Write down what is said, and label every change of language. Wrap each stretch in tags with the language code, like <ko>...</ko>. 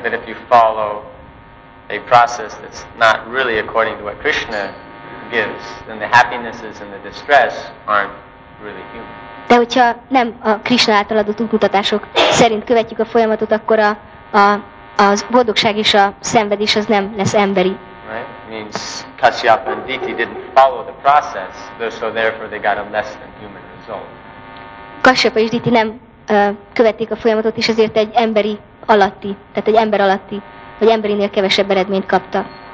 <en>But if you follow a process that's not really according to what Krishna gives, then the happinesses and the distress aren't really human.</en> <hu>De hogyha nem a Krishna által adott útmutatások szerint követjük a folyamatot, akkor az boldogság és a szenvedés az nem lesz emberi.</hu> <en>Right? Means Kashyapa and Diti didn't follow the process, so therefore they got a less than human result.</en> <hu>Kashyapa és Diti nem követték a folyamatot, és ezért egy emberi alatti, tehát egy ember alatti, vagy emberinél kevesebb eredményt kapta.</hu>